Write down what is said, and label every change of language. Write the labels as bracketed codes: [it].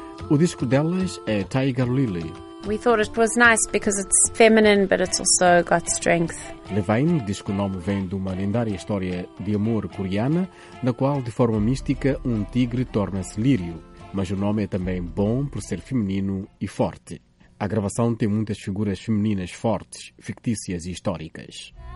[pt] O disco delas é Tiger Lily. [en] We thought it was nice because it's feminine, but it's also got strength. [pt] Levine diz que o nome vem de uma lendária história de amor coreana, na qual, de forma mística, um tigre torna-se lírio. Mas o nome é também bom por ser feminino e forte. A gravação tem muitas figuras femininas fortes, fictícias e históricas.